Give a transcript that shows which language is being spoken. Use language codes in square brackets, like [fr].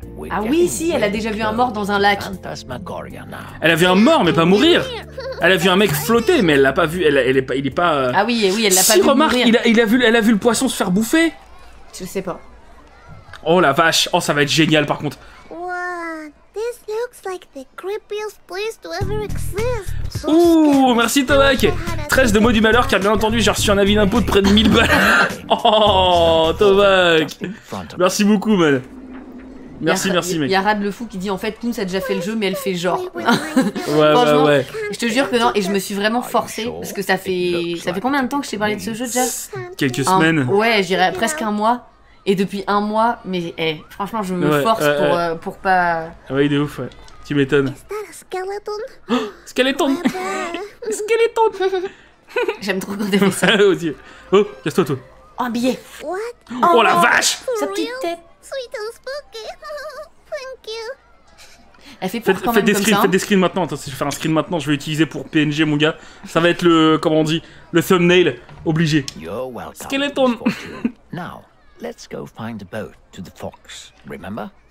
[fr] Ah oui, si, elle a déjà vu un mort dans un lac. Elle a vu un mort, mais pas mourir. Elle a vu un mec flotter, mais elle l'a pas vu. Elle est pas. Ah oui, et oui, elle l'a pas si vu. Remarque, mourir. Elle a vu le poisson se faire bouffer. Je sais pas. Oh la vache. Oh, ça va être génial, par contre. [en] This looks like the creepiest place to ever exist. So ouh, scary. [fr] Merci Tomac. 13 de mots du malheur, car bien entendu j'ai reçu un avis d'impôt de près de 1000 balles. Oh Tomac, merci beaucoup, man. Merci, mec. Y a Rad le fou qui dit en fait Toon ça a déjà fait le jeu, mais elle fait genre. ouais. Je te jure que non, et je me suis vraiment forcée parce que ça fait combien de temps que je t'ai parlé de ce jeu déjà? Quelques semaines. Ouais, je dirais presque un mois. Et depuis un mois, mais hey, franchement, je me force pour pas... Ouais, il est ouf, ouais. Tu m'étonnes. [en] Skeleton. Skeleton. Skeleton. [fr] J'aime trop quand elle fait ça. Oh, casse-toi, toi. Un billet. [en] What? [fr] Oh, la vache. Sa petite tête. [en] Sweet and spooky. Thank you. [fr] Elle fait peur quand même comme ça. Faites des screens maintenant. Attends, si je vais faire un screen maintenant, je vais l'utiliser pour PNG, mon gars. Ça va être le, comment on dit, le thumbnail obligé. [en] You're welcome. Skeleton. Now. Let's go find a boat to the fox, remember?